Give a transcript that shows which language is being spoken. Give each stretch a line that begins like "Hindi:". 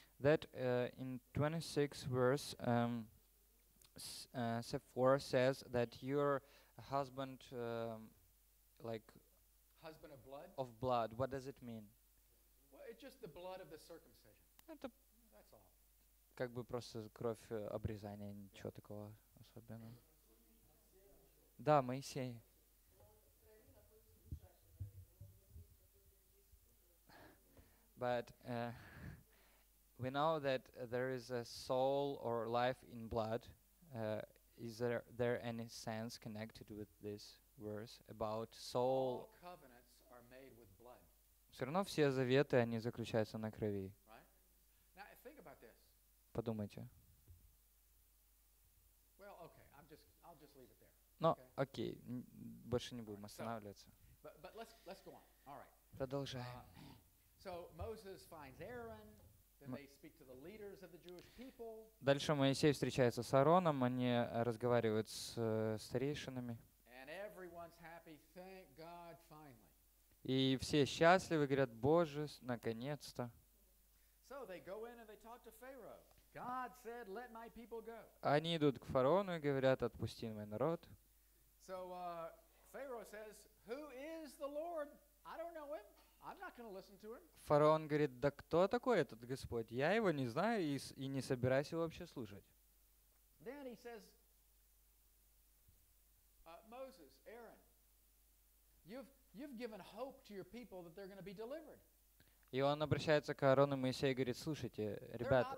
English: That in 26 verse, Seth 4 says that your husband, husband of blood. Of blood. What does it mean? Well, it's just the blood of the circumcision.
Russian: Это
English: That's all.
Russian: Как бы просто кровь обрезания, ничего такого особенного. Да, Моисей.
English: But we know that there is a soul or life in blood. Is there any sense connected with this verse about soul? All covenants are made with blood.
Russian: Все равно все заветы, они заключаются на крови.
English: Now think about this.
Russian: Подумайте.
English: Well, okay, I'll just leave it there.
Russian: Окей, больше не будем останавливаться.
English: But let's go on. All right.
Russian: Продолжаем.
English: So Moses finds Aaron, then they speak to the leaders of the Jewish people.
Russian: Дальше Моисей встречается с Аароном, они разговаривают с старейшинами.
English: And everyone's happy, thank God, finally.
Russian: И все счастливы, говорят: "Боже, наконец-то".
English: So they go in and they talk to Pharaoh. God said, "Let my people go."
Russian: Они идут к фараону и говорят: "Отпусти мой народ".
English: So Pharaoh says, "Who is the Lord? I don't know him." I'm not going to listen to him.
Russian: Фараон говорит: "Да кто такой этот Господь? Я его не знаю и не собираюсь его вообще слушать".
English: Then he says, "Moses, Aaron, you've given hope to your people that they're going to be delivered."
Russian: И он обращается к Аарону и Моисею и говорит: "Слушайте, ребята,